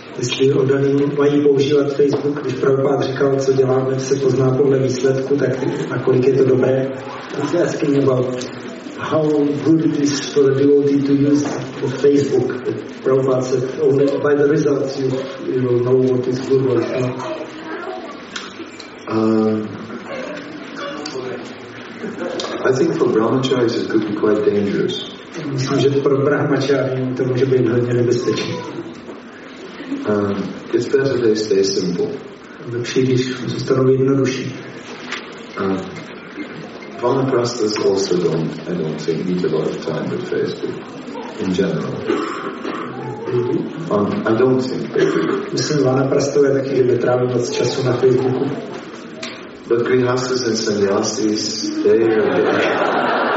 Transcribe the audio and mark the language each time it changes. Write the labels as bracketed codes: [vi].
[cs] Facebook, když Prabhupád říkal, co děláme, se pozná podle výsledku, tak na kolik je to dobré. [en] He's asking about how good it is for a devotee to use for Facebook. Prabhupád said, only by the results you will know what is good or not. I think for brahmacharis it could be quite dangerous. [cs] Myslím, že pro brahmacharii to může být hodně nebezpečné. [en] It's better they stay simple. [cs] Lepší, když zůstanou jednodušší. [en] Vanaprastas also I don't think need a lot of time with Facebook in general. I don't think they do. [cs] Myslím, vanaprastové taky, že netráví moc času na Facebooku. [en] But grihastas and sannyasis, they are there.